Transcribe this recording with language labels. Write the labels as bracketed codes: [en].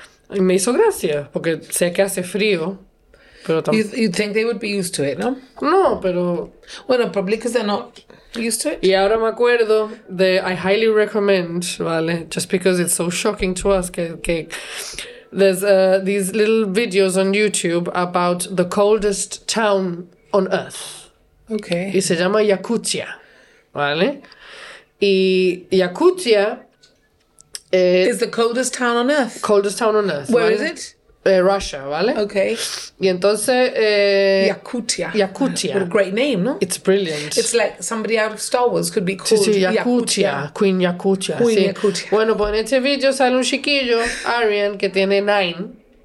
[es] Y me hizo gracia porque sé que hace frío. [en] You'd think they would be used to it, no? [es] No, pero... [en] Bueno, probably because they're not used to it. [es] Y ahora me acuerdo de... [en] I highly recommend, [es] vale? [en] Just because it's so shocking to us. Que there's these little videos on YouTube about the coldest town on Earth. Okay. [es] Y se llama Yakutia, vale? Y Yakutia... [en] is the coldest town on Earth. Coldest town on Earth. Where [es] ¿vale? [en] Is it? Russia, ¿vale? Okay. [es] Y entonces... [en] Yakutia. What a great name, ¿no? It's brilliant. It's like somebody out of Star Wars could be called Yakutia. Queen Yakutia. Queen [es] sí. Yakutia. Bueno, pues en este video sale un chiquillo, Arian, que tiene 9.